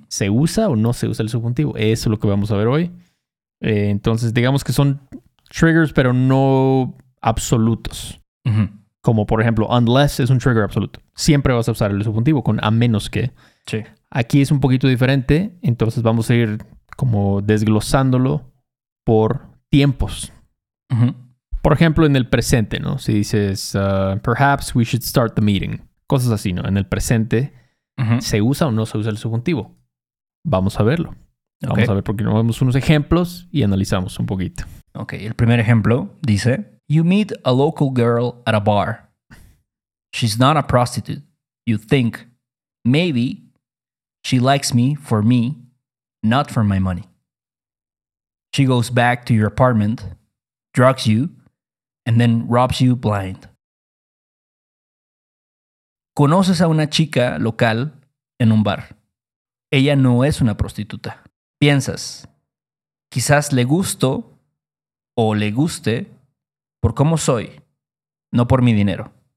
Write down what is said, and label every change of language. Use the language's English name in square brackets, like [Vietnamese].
[Spanish] ¿Se usa o no se usa el subjuntivo? Eso es lo que vamos a ver hoy. Entonces, digamos que son triggers, pero no absolutos. Uh-huh. Como, por ejemplo, unless es un trigger absoluto. Siempre vas a usar el subjuntivo con a menos que. Sí. Aquí es un poquito diferente. Entonces, vamos a ir como desglosándolo por tiempos. Uh-huh. Por ejemplo, en el presente, ¿no? Si dices, [English] perhaps we should start the meeting. [Spanish] Cosas así, ¿no? En el presente, uh-huh. ¿Se usa o no se usa el subjuntivo? Vamos a verlo. Okay. Vamos a ver porque nos vemos unos ejemplos y analizamos un poquito. Ok, el primer ejemplo dice, [English] you meet a local girl at a bar. She's not a prostitute. You think, maybe she likes me for me, not for my money. She goes back to your apartment, drugs you, and then robs you blind. [Spanish] Conoces a una chica local en un bar. Ella no es una prostituta. Piensas, quizás le gusto o le guste por cómo soy, no por mi dinero.